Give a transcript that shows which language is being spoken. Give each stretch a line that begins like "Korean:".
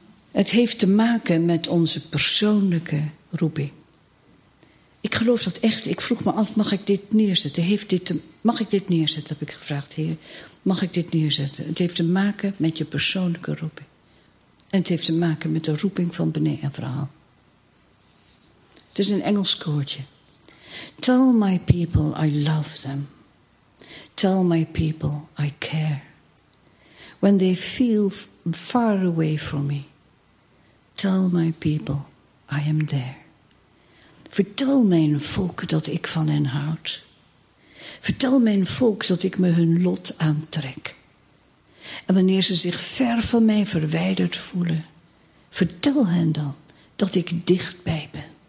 Dutch: Het heeft te maken met onze persoonlijke roeping. Ik geloof dat echt. Ik vroeg me af, mag ik dit neerzetten? Mag ik dit neerzetten, heb ik gevraagd. Heer, mag ik dit neerzetten? Het heeft te maken met je persoonlijke roeping. En het heeft te maken met de roeping van beneden en verhaal. Het is een Engels koortje.
English: Tell my people I love them. Tell my people I care. When they feel far away from me, tell my people I am there.
Dutch: Vertel mijn volk dat ik van hen houd. Vertel mijn volk dat ik me hun lot aantrek. En wanneer ze zich ver van mij verwijderd voelen, vertel hen dan dat ik dichtbij ben.